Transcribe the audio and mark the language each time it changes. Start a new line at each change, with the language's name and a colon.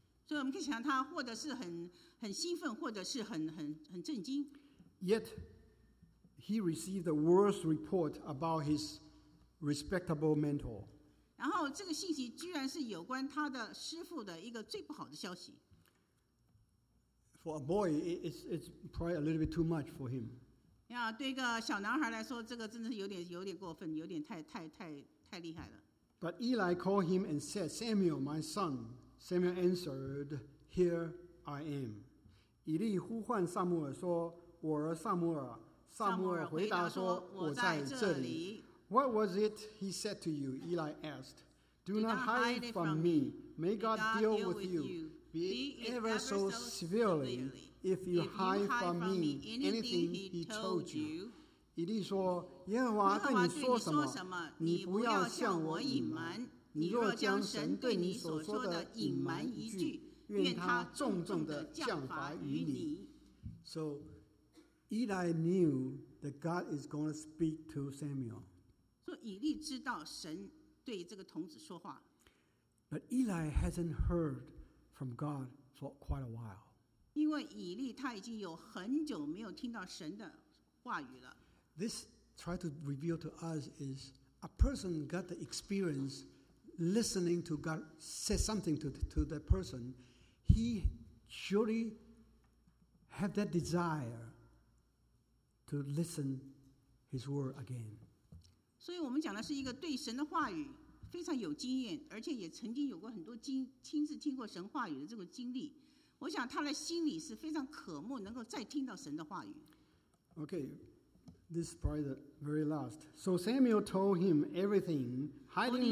Chinese: 所以我们可以想他或者是很兴奋，或者是很震惊。
English: Yet he received the worst report about his respectable mentor.
Chinese: 然后这个信息居然是有关他的师父的一个最不好的消息。
English: For a boy, it's probably a little bit too much for him.
Chinese: Yeah, 对一个小男孩来说，这个真的是有点过分，有点太厉害了。
English: But Eli called him and said, "Samuel, my son." Samuel answered, "Here I am."
Chinese: 以利呼唤撒母耳说，我儿撒母耳。撒母耳回答说，我在这
English: 里。What was it he said to you? Eli asked. Do not hide it from me. May God deal with you. Be it ever so severely, if you hide from me anything he told you.
Chinese: 以利说，耶和华对你说什么，你不要向我隐瞒。你若将神对你所说的隐瞒一句，愿他重重的降罚于你。
English: So Eli knew that God is going to speak to Samuel.
Chinese: 所以以利知道神对这个童子说话。
English: But Eli hasn't heardFrom God for quite a while.
Chinese: 因为以利他已经有很久没有听到神的话语了。
English: This try to reveal to us is a person got the experience listening to God say something to that person. He surely had that desire to listen his word again.
Chinese: 所以我们讲的是一个对神的话语。非常有经验，而且也曾经有过很多亲自听过神话语的这个经历。我想他的心里是非常渴慕能够再听到神的话语。
English: Okay, this is probably the very last. So Samuel told him everything, hiding